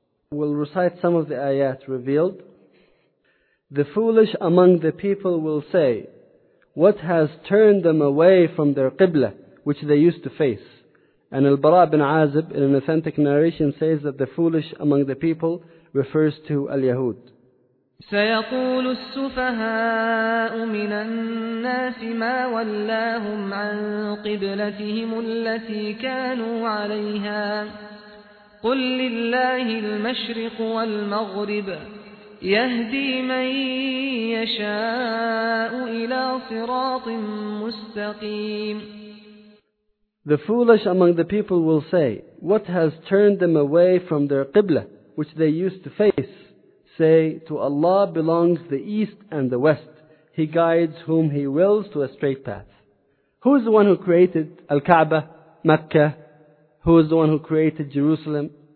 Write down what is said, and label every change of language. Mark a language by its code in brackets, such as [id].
[en] We'll recite some of the ayat revealed. The foolish among the people will say, what has turned them away from their Qibla, which they used to face? And Al-Bara ibn Azib, in an authentic narration, says that the foolish among the people refers to Al-Yahud. [ar] سيقول السفهاء من الناس ما ولاهم عن قبلتهم التي كانوا عليها قل لله المشرق والمغرب يهدي من يشاء إلى صراط مستقيم. [en] The foolish among the people will say, what has turned them away from their qibla, which they used to face? Say, to Allah belongs the east and the west. He guides whom He wills to a straight path. Who is the one who created Al-Kaaba, Mecca? Who is the one who created Jerusalem?